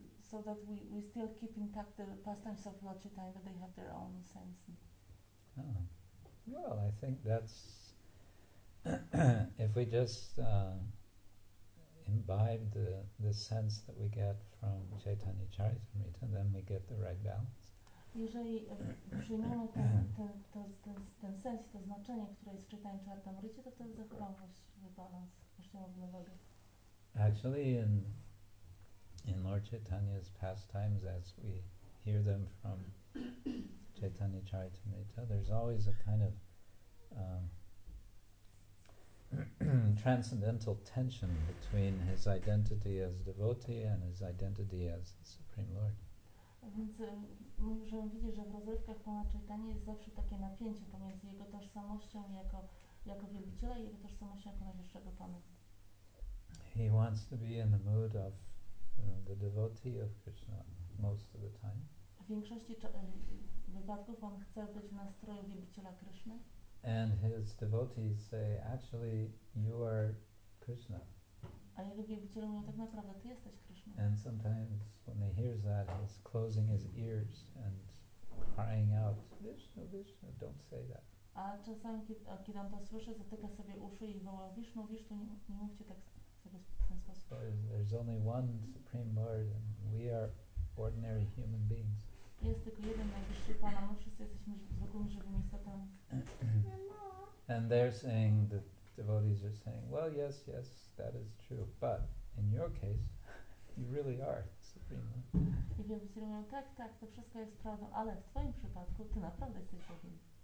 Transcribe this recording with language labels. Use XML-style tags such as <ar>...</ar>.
<en>So that we still keep intact the pastimes of Lord Chaitanya, but they have their own sense. Well, I think that's if we just imbibe the sense that we get from Chaitanya Charitamrita, then we get the right balance.</en> <pl>Jeżeli przyjmiemy ten sens i to znaczenie, które jest w Chaitanya Charitamrita, to wtedy zachowamy właściwy balans, właściwą wagę.</pl> <en>Actually, in Lord Chaitanya's pastimes, as we hear them from Chaitanya Charitamrita, there's always a kind of transcendental tension between his identity as devotee and his identity as the Supreme Lord.</en> <pl>Więc możemy widzieć, że w rozrywkach Pana Chaitanya jest zawsze takie napięcie pomiędzy jego tożsamością jako wielbiciela i jego tożsamością jako najwyższego Pana.</pl> <en>He wants to be in the mood of the devotee of Krishna most of the time.</en> <pl>W większości wypadków on chce być w nastroju wielbiciela Kryszny.</pl> <en>And his devotees say, actually, you are Krishna.</en> <pl>A jego wielbiciele mówią, tak naprawdę, ty jesteś Krishna.</pl> <en>And sometimes when he hears that, he's closing his ears and crying out, Vishnu, Vishnu, don't say that.</en> <pl>A czasami, kiedy on to słyszy, zatyka sobie uszy i woła, Vishnu, Vishnu, nie mówcie tak sobie w ten sposób.</pl> <en>There's only one Supreme Lord and we are ordinary human beings.</en> <pl>Jest tylko jeden najwyższy Pan, a my wszyscy jesteśmy zwykłymi żywymi istotami.</pl> <en>And they're saying, the devotees are saying, well, yes, yes, that is true, but in your case, you really are Supreme Lord.</en> <pl>I wielbiciele mówią, tak, tak, to wszystko jest prawdą, ale w twoim przypadku, ty naprawdę jesteś Bogiem.</pl>